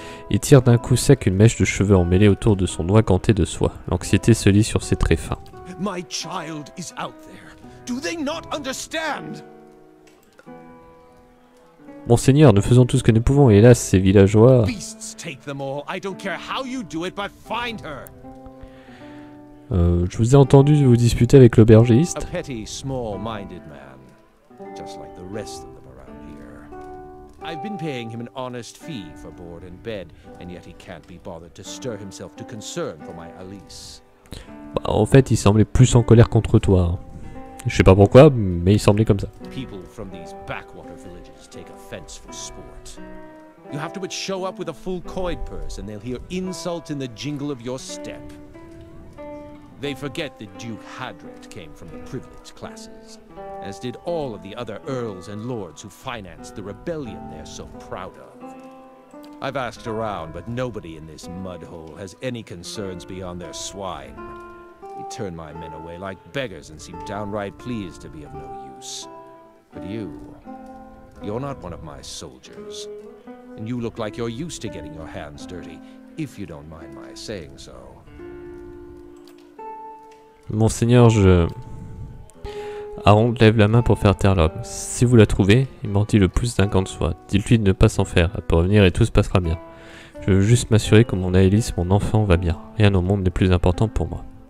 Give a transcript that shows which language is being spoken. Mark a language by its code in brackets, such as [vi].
[fr] Il tire d'un coup sec une mèche de cheveux emmêlée autour de son doigt ganté de soie. L'anxiété se lit sur ses traits fins. [en] My child is out there. Do they not understand? [fr] Monseigneur, nous faisons tout ce que nous pouvons, et hélas, ces villageois... [en] Beasts take them all. I don't care how you do it, but find her. [fr] Je vous ai entendu vous disputer avec l'aubergiste. [en] A petty, small-minded man, just like the rest of them around here. I've been paying him an honest fee for board and bed, and yet he can't be bothered to stir himself to concern for my Alice. [fr] Bah, en fait, il semblait plus en colère contre toi. Je sais pas pourquoi, mais il semblait comme ça. [en] People from these backwater villages take offense for sport. You have to but show up with a full coin purse, and they'll hear insult in the jingle of your step. They forget that Duke Hadret came from the privileged classes, as did all of the other earls and lords who financed the rebellion they're so proud of. I've asked around, but nobody in this mudhole has any concerns beyond their swine. He turned my men away like beggars and seemed downright pleased to be of no use. But you, you're not one of my soldiers. And you look like you're used to getting your hands dirty, if you don't mind my saying so. [fr] Monseigneur, je... Arond lève la main pour faire taire l'homme. Si vous la trouvez, il mordit le pouce d'un gant de soie. Dites-lui de ne pas s'en faire, elle peut revenir et tout se passera bien. Je veux juste m'assurer que mon Aelis, mon enfant, va bien. Rien au monde n'est plus important pour moi.